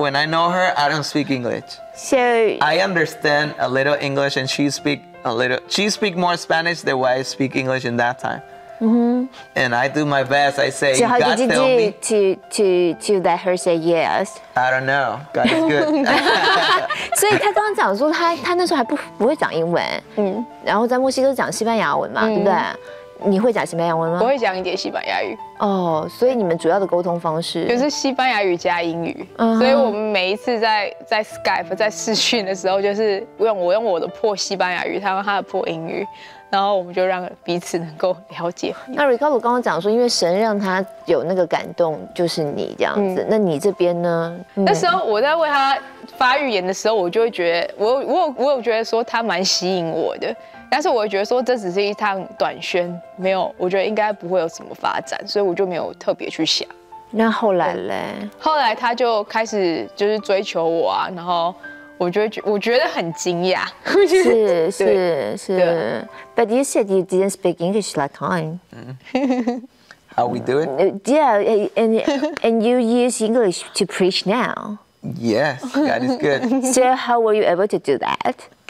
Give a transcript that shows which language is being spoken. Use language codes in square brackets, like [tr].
[en] When I know her, I don't speak English. So I understand a little English, and she speaks more Spanish than why I speak English in that time. Mm-hmm. And I do my best. I say, God, tell me. So how did you do to let her say yes? I don't know. God is good. [zh] 所以他刚刚讲说他那时候还不会讲英文，嗯，然后在墨西哥讲西班牙文嘛，对不对？你会讲西班牙文吗？我会讲一点西班牙语。哦，所以你们主要的沟通方式就是西班牙语加英语。 Uh-huh. 所以我们每一次在 Skype 在视讯的时候，就是我用我的破西班牙语，他用他的破英语。然后我们就让彼此能够了解。那 Ricardo 刚刚讲说，因为神让他有那个感动，就是你这样子。嗯、那你这边呢？那时候我在为他发预言的时候，我就会觉得，我有觉得说他蛮吸引我的。但是我觉得说这只是一趟短宣，没有，我觉得应该不会有什么发展，所以我就没有特别去想。那后来嘞？后来他就开始就是追求我啊，然后。我觉得很惊讶， [en] 是，But you said you didn't speak English like mine. How we do it? Yeah, and you use English to preach now. Yes, God is good. So how were you able to do that?